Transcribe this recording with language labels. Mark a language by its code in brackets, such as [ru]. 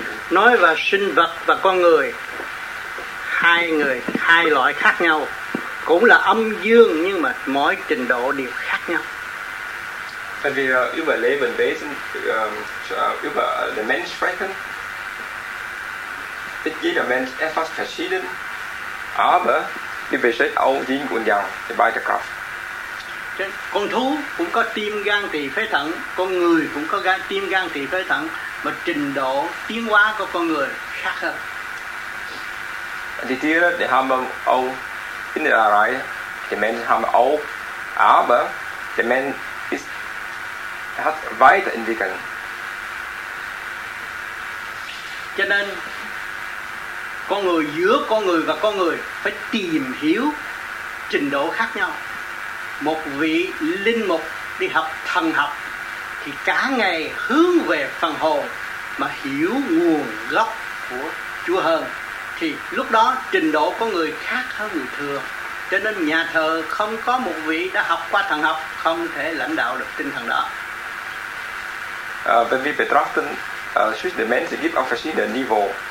[vi] nói về sinh vật và con người, hai người, hai loại khác nhau, cũng là âm dương nhưng mà mỗi trình độ đều khác nhau. Tại vì [de] über Leben Wesen, über den Mensch sprechen, ist jeder Mensch etwas verschieden, aber wir besteht auch Yin und Yang, die beide Kraft. [vi] Con thú cũng có tim gan tỳ phế thận, con người cũng có gan tim gan tỳ phế thận, mà trình độ tiến hóa của con người khác hơn. [de] Die Tiere, die haben auch innere Reihe, die Menschen haben auch, aber der Mensch ist, hat weiterentwickelt. [vi] Cho nên con người giữa con người và con người phải tìm hiểu trình độ khác nhau. một vị linh mục đi học thần học thì cả ngày hướng về phần hồn mà hiểu nguồn gốc của Chúa hơn, thì lúc đó trình độ của người khác hơn người thường. Cho nên nhà thờ không có một vị đã học qua thần học không thể lãnh đạo được tinh thần đó. [de] Wenn wir betrachten, zwischen den Menschen gibt auch verschiedene Niveau.